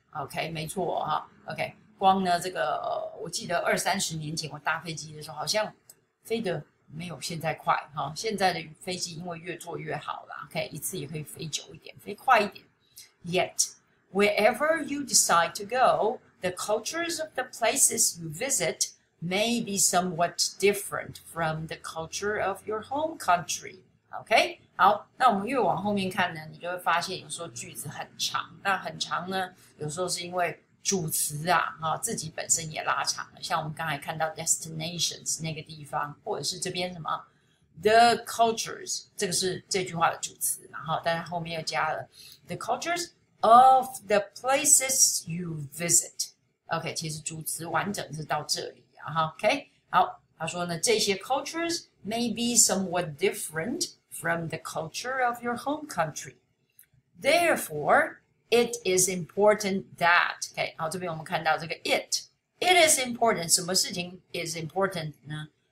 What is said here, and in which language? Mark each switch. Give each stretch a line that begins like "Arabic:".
Chinese: OK， 没错哈 ，OK， 光呢这个，我记得二三十年前我搭飞机的时候，好像飞得没有现在快哈，现在的飞机因为越做越好了 ，OK， 一次也可以飞久一点，飞快一点。
English: Yet, wherever you decide to go, the cultures of the places you visit may be somewhat different from the culture of your home country.
Chinese: OK， 好，那我们越往后面看呢，你就会发现有时候句子很长，那很长呢，有时候是因为主词啊，哈，自己本身也拉长了。像我们刚才看到 destinations 那个地方，或者是这边什么 the cultures， 这个是这句话的主词，然后但是后面又加了
English: the cultures of the places you visit。
Chinese: OK， 其实主词完整是到这里啊。
English: OK，
Chinese: 好，他说呢，这些
English: cultures may be somewhat different from the culture of your home country. Therefore. It is important that, okay,
Chinese: 好，这边我们看到这个
English: it is important,
Chinese: 什么事情
English: is important 呢?